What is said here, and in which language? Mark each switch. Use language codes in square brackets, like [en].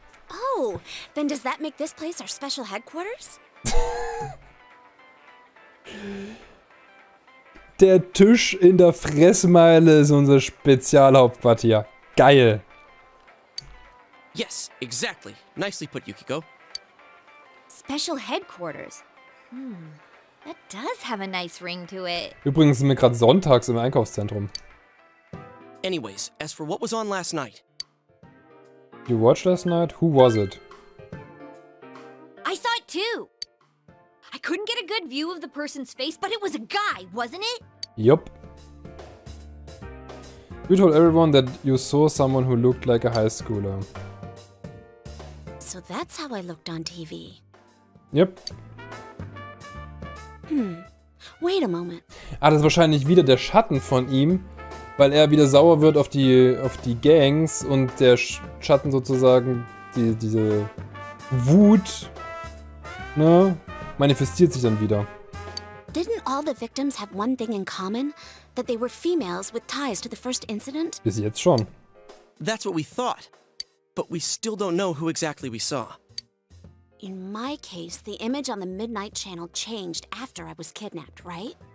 [en] Oh, then does that make this place our special headquarters? [de] Der Tisch in der Fressmeile ist unser Spezialhauptquartier. Geil. [en] Yes, exactly. Nicely put, Yukiko. Special headquarters. That does have a nice ring to it. [de] Übrigens sind wir gerade sonntags im Einkaufszentrum. [en] Anyways, as for what was on last night. You watched last night? Who was it? I saw it too. I couldn't get a good view of the person's face, but it was a guy, wasn't it? Yup. You told everyone that you saw someone who looked like a high schooler. So that's how I looked on TV. Yep. Wait a moment. [de] Ah, das ist wahrscheinlich wieder der Schatten von ihm, weil er wieder sauer wird auf die Gangs und der Schatten sozusagen diese Wut, ne, manifestiert sich dann wieder. [en] Didn't all the victims have one thing in common, that they were females with ties to the first incident? [de] Bis jetzt schon. [en] That's what we thought. But we still don't know who exactly we saw. In my case, the image on the Midnight Channel changed after I was kidnapped, right?